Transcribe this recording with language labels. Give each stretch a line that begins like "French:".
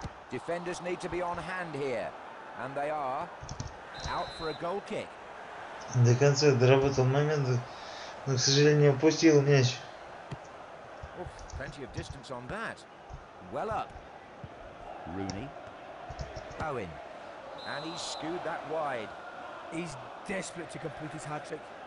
English: Defenders need to be on hand here. And they are out for a goal kick.
Russian: До конца доработал момент, Но, к сожалению, упустил мяч.
English: Plenty of distance on that. Well up. Rooney. Owen. And he's skewed that wide. He's desperate to complete his hat-trick.